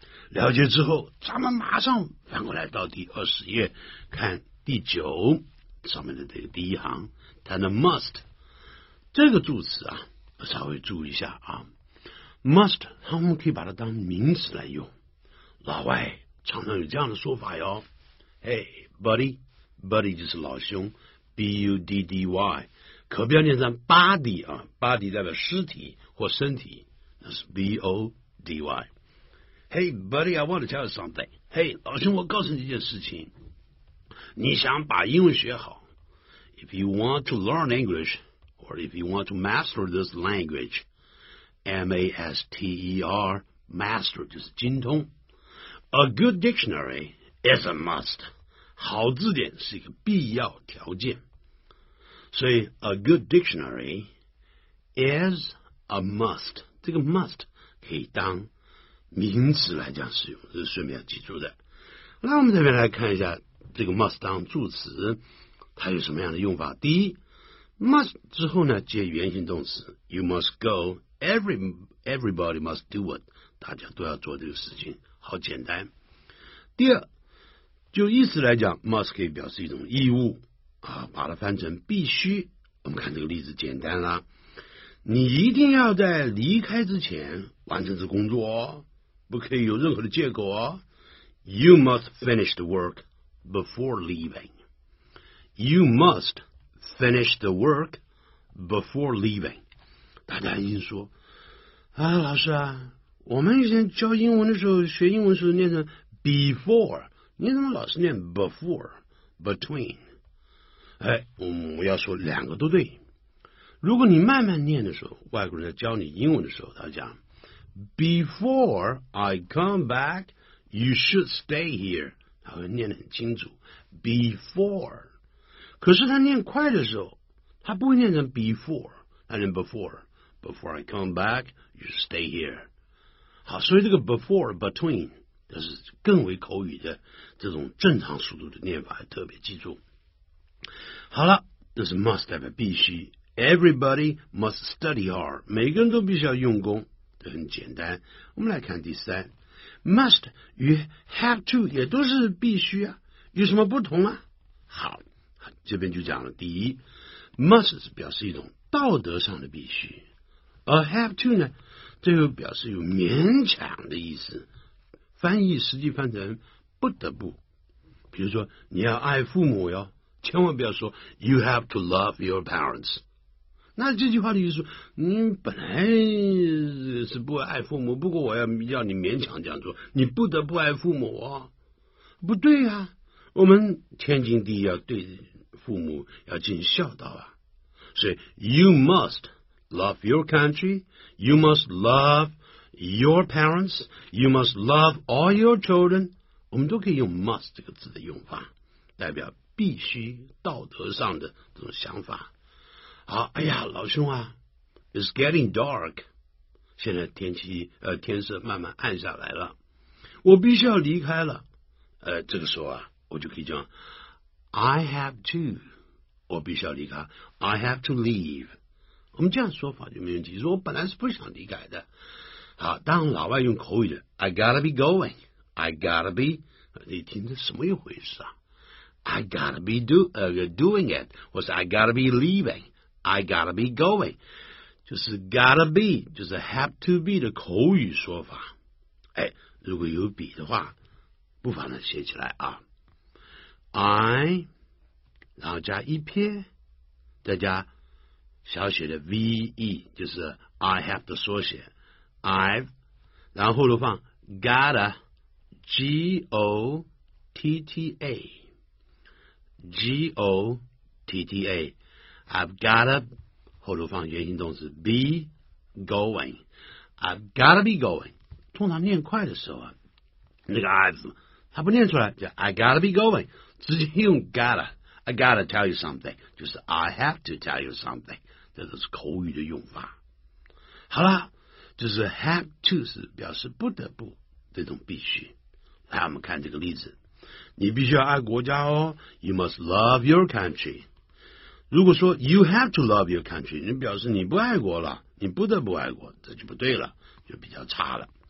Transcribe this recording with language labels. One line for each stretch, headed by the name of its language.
Chinese: 了解之后咱们马上翻过来到第20页看第9上面的这个第一行，它的 must 这个助词啊，稍微注意一下啊， must 我们可以把它当名词来用，老外常常有这样的说法哟。
English: Hey buddy，
Chinese: buddy 就是老兄， B-U-D-D-Y，可不要念成 body 啊， body 代表尸体或身体，那是 body。
English: Hey buddy， I want to tell you something。
Chinese: Hey 老兄，我告诉你一件事情，你想把英文学好，
English: If you want to learn English or if you want to master this language， M-A-S-T-E-R， master 就是精通， A good dictionary is a must，
Chinese: 好字典是一个必要条件。所以
English: a good dictionary is a must，
Chinese: 这个 must 可以当名词来讲使用，这是顺便要记住的。那我们这边来看一下这个 must 当助词，它有什么样的用法？第一 ，must 之后呢，接原形动词 ，
English: you must go， everybody must do it，
Chinese: 大家都要做这个事情，好简单。第二，就意思来讲 ，must 可以表示一种义务啊，把它翻成必须。我们看这个例子简单啦，你一定要在离开之前完成这工作哦，不可以有任何的借口哦。
English: You must finish the work before leaving. You must finish the work before leaving.
Chinese: 大家已经说啊，老师啊，我们以前教英文的时候，学英文的时候念成 before， 你怎么老是念 before between？哎，我要说两个都对。如果你慢慢念的时候，外国人在教你英文的时候，他讲
English: before I come back。
Chinese: You should stay here，他会念得很清楚 before，可是他念快的时候他不会念成 before， 他念 before，
English: before I come back you should stay here。
Chinese: 好，所以这个 before between 这是更为口语的这种正常速度的念法，特别记住。好了，这是 must 代表必须，
English: everybody must study hard，
Chinese: 每个人都必须要用功，这很简单。我们来看第三，must 与 have to 也都是必须啊，有什么不同啊？好，这边就讲了，第一 must 表示一种道德上的必须，而 have to 呢，这又表示有勉强的意思，翻译实际翻成不得不。比如说你要爱父母哟，千万不要说
English: you have to love your parents，
Chinese: 那这句话的意思你本来是不爱父母，不过我要你勉强这样做，你不得不爱父母啊、哦？不对啊，我们天经地义要对父母要尽孝道啊。
English: 所以 you must love your country， you must love your parents， you must love all your children，
Chinese: 我们都可以用 must 这个字的用法，代表必须道德上的这种想法。好，哎呀老兄啊，
English: it's getting dark，
Chinese: 现在天色慢慢暗下来了，我必须要离开了。这个时候啊，我就可以讲 I have to， 我必须要离开
English: I have to leave，
Chinese: 我们这样说法就没问题，说我本来是不想离开的。好，当老外用口语的
English: I gotta be going，
Chinese: I gotta be， 你听这什么一回事啊？
English: I gotta be doing it， 或是 I gotta be leaving， I gotta be going，就是 gotta be，
Chinese: 就是 have to be 的口语说法。哎，如果有笔的话，不妨呢写起来啊。 I， 然后加一撇，再加小写的 ve， 就是 I have 的缩写。
English: I've，
Chinese: 然后后头放
English: gotta， g o t t a， g o t t a， I've gotta。后头放原形动词 be going， I've gotta be going，
Chinese: 通常念快的时候啊，那个 I've 他不念出来，
English: 叫 I gotta be going， 直接用 gotta， I gotta tell you something， 就是 I have to tell you something，
Chinese: 这都是口语的用法。好了，就是 have to 是表示不得不这种必须。来，我们看这个例子，你必须要爱国家哦，
English: you must love your country。
Chinese: 如果说
English: you have to love your country，
Chinese: 你表示你不爱国了，你不得不爱国，这就不对了，就比较差了。